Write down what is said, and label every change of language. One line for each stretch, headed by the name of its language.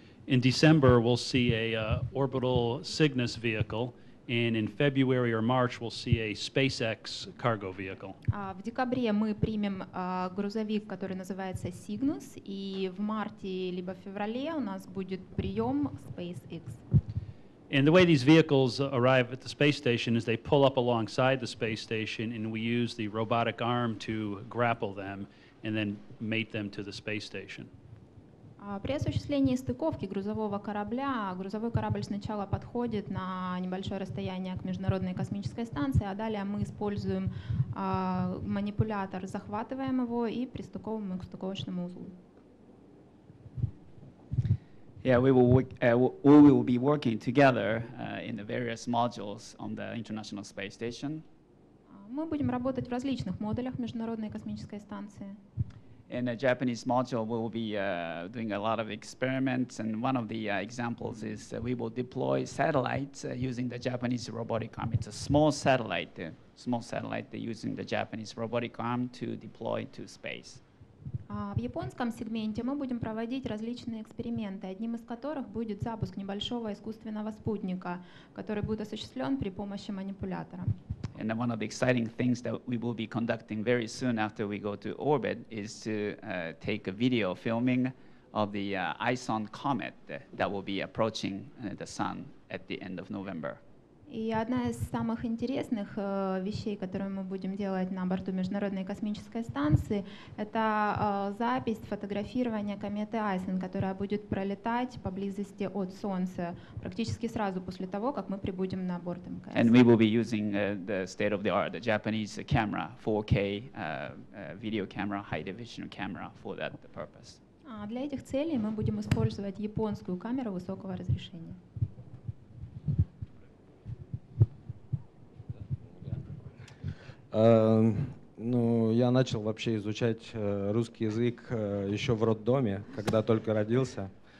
English: In December, we'll see a orbital Cygnus vehicle, and in February or March, we'll see a SpaceX cargo vehicle.
Russian: В декабре мы примем грузовик, который называется Cygnus, и в марте либо феврале у нас будет прием SpaceX.
English: And the way these vehicles arrive at the space station is they pull up alongside the space station and we use the robotic arm to grapple them and then mate them to the space station.
Russian: При осуществлении стыковки грузового корабля, грузовой корабль сначала подходит на небольшое расстояние к Международной космической станции, а далее мы используем манипулятор, захватываем его и пристыковываем к стыковочному узлу.
English: Yeah, we will be working together in the various modules on the International Space Station.
Russian: Мы будем работать в различных модулях Международной космической станции.
English: In a Japanese module, we will be doing a lot of experiments, and one of the examples is that we will deploy satellites using the Japanese robotic arm. It's a small satellite using the Japanese robotic arm to deploy to space.
Russian: В японском сегменте мы будем проводить различные эксперименты, одним из которых будет запуск небольшого искусственного спутника, который будет осуществлен при помощи манипулятора.
English: And one of the exciting things that we will be conducting very soon after we go to orbit is to take a video filming of the ISON comet that will be approaching the sun at the end of November.
Russian: И одна из самых интересных вещей, которые мы будем делать на борту Международной космической станции, это запись фотографирования кометы Айсон, которая будет пролетать поблизости от Солнца практически сразу после того, как мы прибудем на борт МКС.
English: And we will be using the state-of-the-art, the Japanese camera, 4K video camera, high-definition camera for that purpose.
Russian: Для этих целей мы будем использовать японскую камеру высокого разрешения. Ну, я начал вообще изучать русский язык еще в роддоме, когда только родился.